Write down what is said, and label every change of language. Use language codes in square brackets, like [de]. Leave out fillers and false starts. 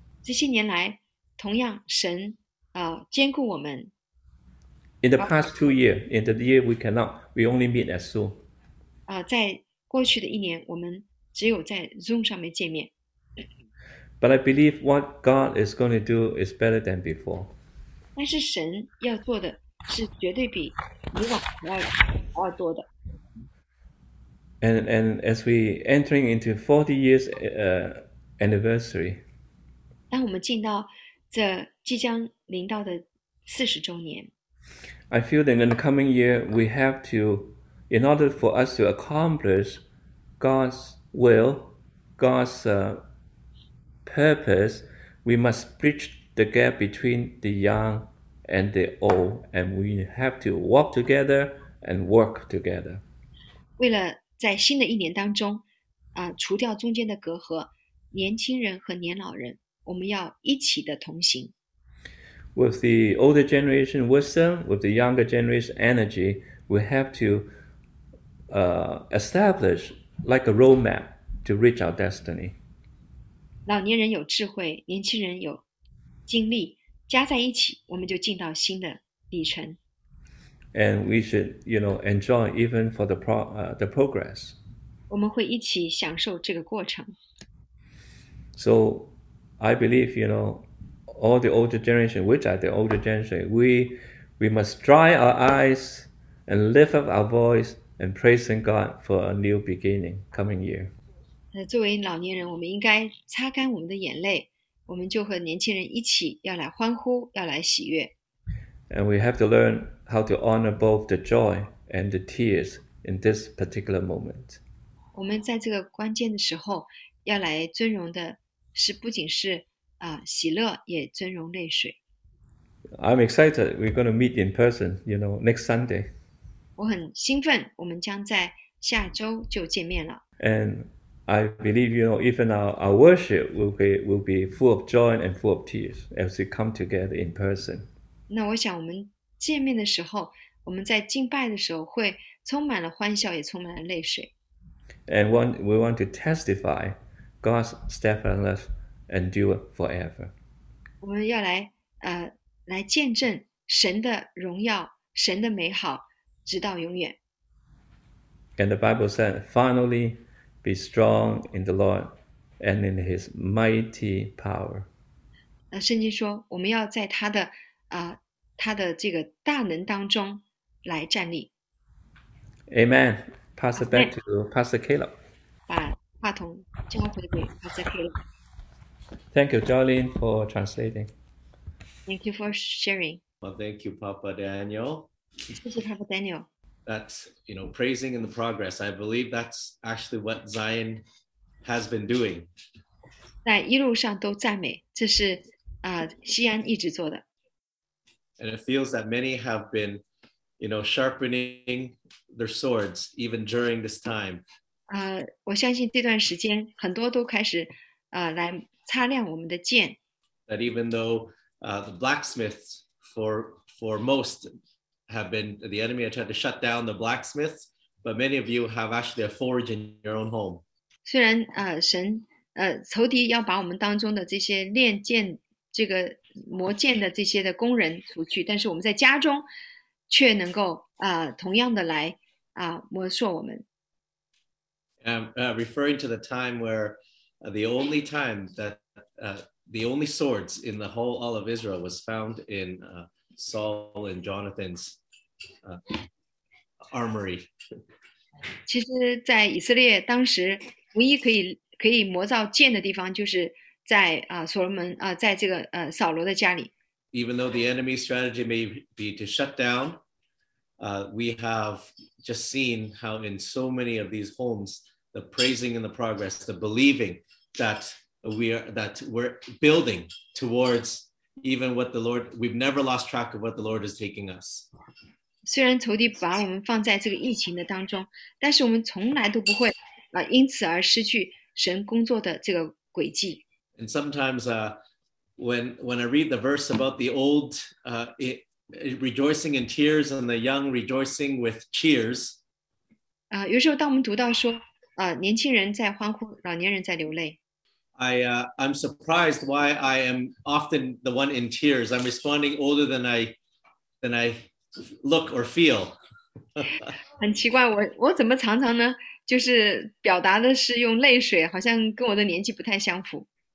[zh] 这些年来，同样神兼顾我们。 [en] In the past 2 years, in the year we only meet as Zoom. [zh] 在过去的一年，我们只有在 Zoom 上面见面。 [en] But I believe what God is going to do is better than before. [zh] 但是神要做的是绝对比以往还要多的。 [en] And as we entering into 40 years anniversary, [zh] 当我们进到这即将临到的40周年， [en] I feel that in the coming year we have to, in order for us to accomplish God's will, God's purpose, we must bridge the gap between the young and the old, and we have to walk together and work together. [zh] 为了在新的一年当中，除掉中间的隔阂，年轻人和年老人，我们要一起的同行。 [en] With the older generation wisdom, with the younger generation energy, we have to establish like a roadmap to reach our destiny. [zh] 老年人有智慧，年轻人有精力，加在一起，我们就进到新的里程。 [en] And we should, enjoy even for the progress. [zh] 我们会一起享受这个过程。 [en] So, I believe, all the older generation, which are the older generation, we must dry our eyes and lift up our voice and praising God for a new beginning coming year. [zh] 作为老年人，我们应该擦干我们的眼泪，我们就和年轻人一起要来欢呼，要来喜悦。 [en] And we have to learn how to honor both the joy and the tears in this particular moment. [zh] 我们在这个关键的时候，要来尊荣的是不仅是喜乐，也尊荣泪水。 [en] I'm excited. We're going to meet in person, next Sunday. [zh] 我很兴奋，我们将在下周就见面了。 [en] And I believe, even our worship will be full of joy and full of tears as we come together in person. [zh] 那我想，我们见面的时候，我们在敬拜的时候，会充满了欢笑，也充满了泪水。 [en] And we want to testify God's steadfastness endure forever. [zh] 我们要来见证神的荣耀，神的美好，直到永远。 [en] And the Bible said, finally, be strong in the Lord and in his mighty power. [zh] 圣经说，我们要在他的这个大能当中来站立。 [en] Amen. Pass it back [zh] 阿门。 [en] to Pastor Caleb. [zh] Okay。 把话筒交回给阿泽佩拉。 [en] Thank you, Jolene, for translating. Thank you for sharing。 Well, thank you, Papa Daniel. [zh] 谢谢 Papa Daniel。 [en] That's, praising in the progress. I believe that's actually what Zion has been doing. [zh] 在一路上都赞美，这是西安一直做的。 [en] And it feels that many have been, sharpening their swords even during this time. [zh] 我相信这段时间很多都开始来擦亮我们的剑。 [en] That even though the blacksmiths for most have been the enemy had tried to shut down the blacksmiths, but many of you have actually a forge in your own home. [zh] 虽然神仇敌要把我们当中的这些练剑、这个磨剑的这些的工人除去，但是我们在家中却能够同样的来磨塑我们。 [en] Referring to the time where the only time that the only swords in the whole all of Israel was found in Saul and Jonathan's armory. [zh] 其实，在以色列当时，唯一可以磨造剑的地方，就是在所罗门在这个扫罗的家里。 [en] Even though the enemy's strategy may be to shut down, we have just seen how in so many of these homes, the praising and the progress, the believing that we're building towards even what the Lord, we've never lost track of what the Lord is taking us. [zh] 虽然仇敌把我们放在这个疫情的当中，但是我们从来都不会因此而失去神工作的这个轨迹。 [en] And sometimes when I read the verse about the old rejoicing in tears and the young rejoicing with cheers, [zh] 有时候当我们读到说，年轻人在欢呼，老年人在流泪。 [en] I'm surprised why I am often the one in tears. I'm responding older than I look or feel. [zh] 很奇怪，我怎么常常呢，就是表达的是用泪水，好像跟我的年纪不太相符。